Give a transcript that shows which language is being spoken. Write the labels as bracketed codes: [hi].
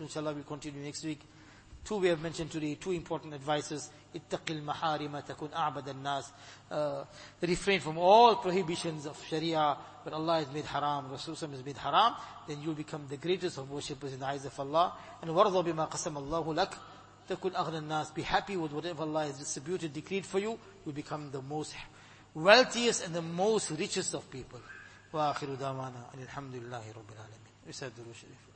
[en] Inshallah, we continue next week. Two we have mentioned today, two important advices. [ar] اتَّقِ الْمَحَارِمَ تَكُنْ أَعْبَدَ النَّاسِ. [en] Refrain from all prohibitions of Sharia. When Allah has made haram, Rasulullah has made haram, then you become the greatest of worshippers in the eyes of Allah. [ar] And وَرْضَ بِمَا قَسَمَ اللَّهُ لَكْ تَكُنْ أَغْنَ النَّاسِ. [en] Be happy with whatever Allah has distributed, decreed for you. You become the most wealthiest and the most richest of people. [ar] وَآخِرُ دَوَانَا أَنِ الْحَمْدُ لِلَّهِ رَبِّ الْعَالَمِينَ.